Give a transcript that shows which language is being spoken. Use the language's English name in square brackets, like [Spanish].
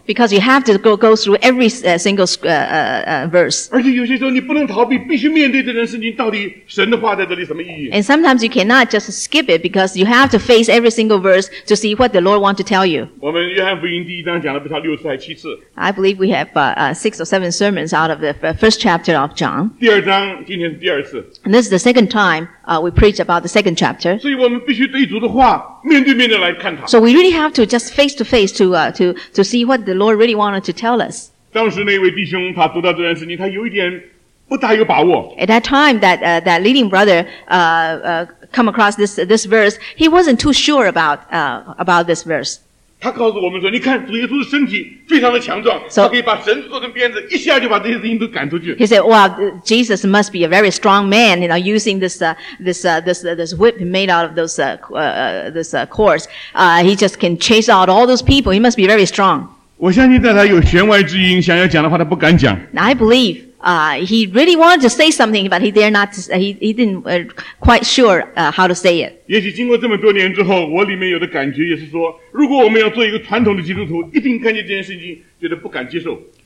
[English] Because you have to go through every single verse. [Chinese] 而且有些时候你不能逃避，必须面对这段圣经，到底神的话在这里什么意义。 [English] And sometimes you cannot just skip it because you have to face every single verse to see what the Lord wants to tell you. [Chinese] 我们约翰福音第一章讲了不到六次还七次。 [English] I believe we have six or seven sermons out of the first chapter of John. [Chinese] 第二章今天是第二次。 [English] And this is the second time we preach about the second chapter. [Chinese] 所以我们必须对主的话面对面的来看它。 [English] So we really have to just face to face to see what the Lord really wanted to tell us. [Chinese] 当时那位弟兄他读到这件事情，他有一点不大有把握。 [English] At that time, that leading brother come across this verse, he wasn't too sure about this verse. [Chinese] 他告诉我们说，你看主耶稣的身体非常的强壮，他可以把绳子做成鞭子，一下就把这些灵都赶出去。 [English] He said, "Well, Jesus must be a very strong man, you know, using this whip made out of those cords. He just can chase out all those people. He must be very strong." [Chinese] 我相信在他有弦外之音想要讲的话他不敢讲。 [English] I believe, he really wanted to say something, but he didn't quite sure how to say it. [Chinese] 也许经过这么多年之后，我里面有的感觉也是说，如果我们要做一个传统的基督徒，一定看见这件事情觉得不敢接受。